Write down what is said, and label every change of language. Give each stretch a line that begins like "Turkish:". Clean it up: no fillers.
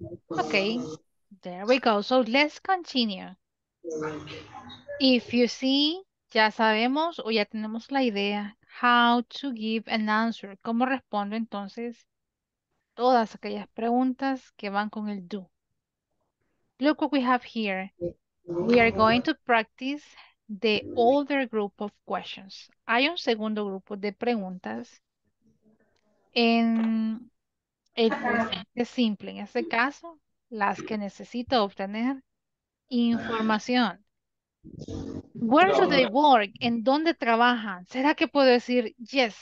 English: Okay, there we go. So let's continue. If you see,
Spanish: ya sabemos o ya tenemos la idea
English: how to give an answer.
Spanish: ¿Cómo respondo entonces todas aquellas preguntas que van con el do?
English: Look what we have here. We are going to practice the other group of questions.
Spanish: Hay un segundo grupo de preguntas en el presente simple. En este caso, las que necesito obtener información.
English: Where do they work?
Spanish: ¿En dónde trabajan? ¿Será que puedo decir yes?